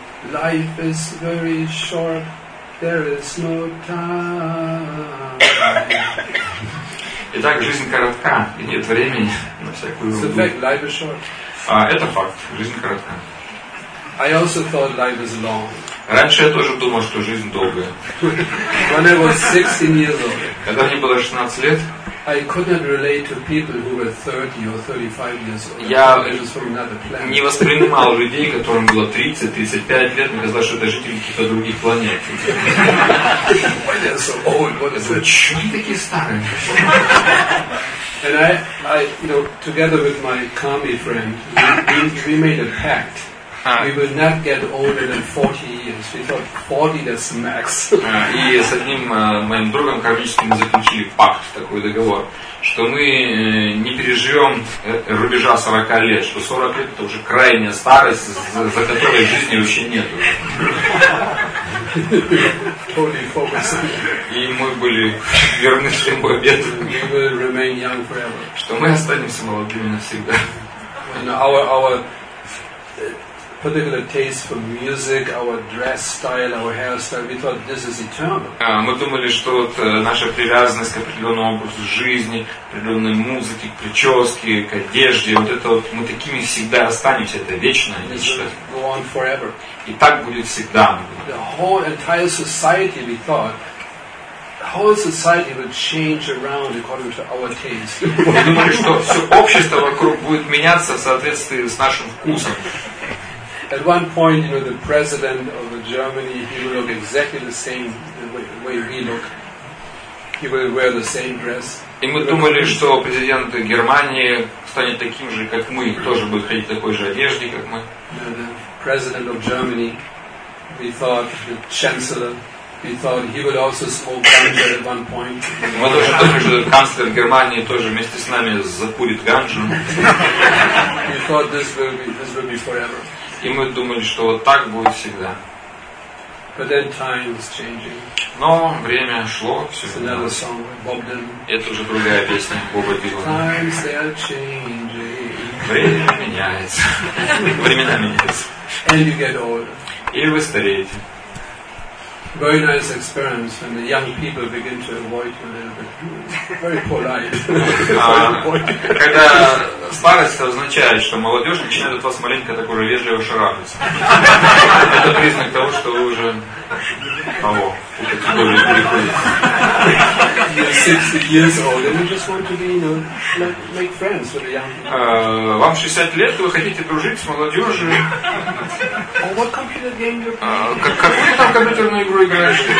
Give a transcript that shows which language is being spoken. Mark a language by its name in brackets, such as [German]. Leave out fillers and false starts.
[English] Life is very short. There is no time. [Russian] Итак, жизнь коротка, и нет времени на всякую [English] so fact, life is short. [Russian] Это факт, жизнь коротка. [English] I also thought life is long. [Russian] Раньше я тоже думал, что жизнь долгая. [English] When I was 16 years old, [Russian] когда мне было 16 лет, [English] I could not relate to people who were 30 or 35 years old. [Russian] Я [English] was from another planet. [Russian] Не воспринимал людей, которым было 30-35 лет, мне казалось, что это жители каких-то других планет. [English] Why they're so old? What is it? [Russian] Чего они такие старые? [English] And I, you know, together with my Kami friend, we made a pact. We will not get older than 40 years. We thought 40 that's max. [Russian] И с одним моим другом кармическим мы заключили пакт, такой договор, что мы не переживем рубежа 40 лет, что 40 лет это уже крайняя старость, за которой жизни вообще нет. [English] Totally focused. [Russian] И мы были верны своему обету. [English] We will remain young forever. [Russian] Что мы останемся молодыми навсегда. [English] And our particular taste for music, our dress style, our hairstyle, we thought this is eternal. [Russian] Мы думали, что вот наша привязанность к определенному образу жизни, к определенной музыке, к прическе, к одежде, вот это вот, мы такими всегда останемся, это вечно. [English] Go on forever. [Russian] И так будет всегда. [English] The whole entire society, we thought, whole society would change around according to our taste. [Russian] Мы думали, что все общество вокруг будет меняться в соответствии с нашим вкусом. [English] At one point, you know, the president of Germany, he will look exactly the same way we look. He will wear the same dress. [Russian] И мы думали, что президент Германии станет таким же, как мы, тоже будет ходить в такой же одежде, как мы. [English] The president of Germany, we thought, the chancellor, we thought he would also smoke ganja at one point. [Russian] Мы тоже думали, что канцлер Германии тоже вместе с нами закурит ганджу. [English] We thought this will be forever. [Russian] И мы думали, что вот так будет всегда. [English] But then time was changing. [Russian] Но время шло, все поменялось. Это уже другая песня Боба Дилана. [English] Times they are changing. [Russian] Время меняется. Времена меняются. [English] And you get older. [Russian] И вы стареете. [English] Very nice experience when the young people begin to avoid you a little bit. Very polite. [Russian] Когда старость, это означает, что молодежь начинает от вас маленько так уже вежливо шарахаться. Это признак того, что вы уже того, в категории переходите. [English] 60 years old, and you just want to be, you know, make friends with the young people. [Russian] Вам 60 лет, и вы хотите дружить с молодежью. Какую там компьютерную игру играешь?